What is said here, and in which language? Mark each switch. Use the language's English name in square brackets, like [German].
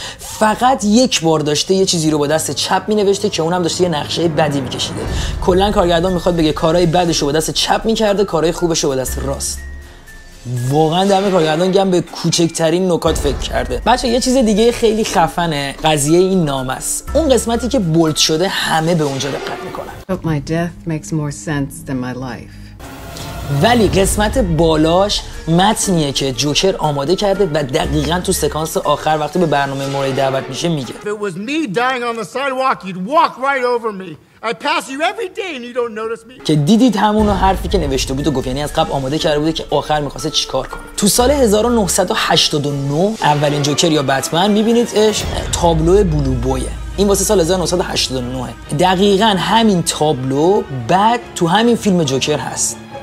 [Persian] فقط یک بار داشته یه چیزی رو با دست چپ مینوشته که اونم داشته یه نقشه بدی میکشیده. کلا کارگردان میخواد بگه کارهای بدش رو با دست چپ میکرده، کارهای خوبش رو با دست راست. واقعا دمه کارگردان گم به کوچکترین نکات فکر کرده. بچه یه چیز دیگه خیلی خفنه قضیه این نام است. اون قسمتی که بولد شده همه به اونجا دقت میکنن. [English] But my death makes more sense than my life. [Persian] ولی قسمت بالاش متنیه که جوکر آماده کرده و دقیقا تو سکانس آخر وقتی به برنامه موری دعوت میشه میگه. [English] If it was me dying on the sidewalk, you'd walk right over me. I pass you every day and you don't notice me. [Persian] که دیدید همونو حرفی که نوشته بود و گفت، یعنی از قبل آماده کرده بوده که آخر میخواسته چیکار کنه. تو سال 1989 اولین جوکر یا بتمن میبینید اش تابلو بلو بویه. این واسه سال 1989 دقیقاً همین تابلو بعد تو همین فیلم جوکر هست.